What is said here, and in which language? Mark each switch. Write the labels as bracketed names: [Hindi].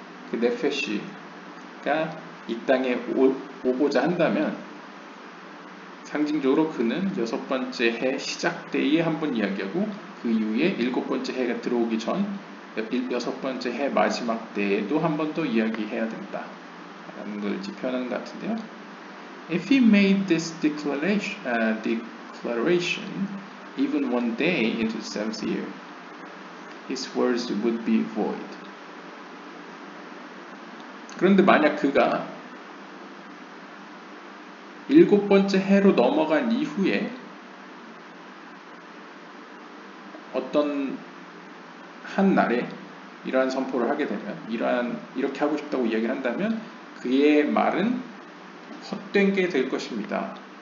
[Korean] 그 네펫이가 이 땅에 오고자 한다면 상징적으로 그는 여섯 번째 해 시작 때에 한 번 이야기하고 그 이후에 일곱 번째 해가 들어오기 전 여섯 번째 해 마지막 때에도 한 번 더 이야기해야 된다 라는 걸 표현하는 것 같은데요. [English] If he made this declaration even one day into the seventh year, his words would be void. [Korean] 그런데 만약 그가 일곱 번째 해로 넘어간 이후에 어떤 한 날에 이러한 선포를 하게 되면 이렇게 하고 싶다고 이야기를 한다면 그의 말은 헛된 게 될 것입니다.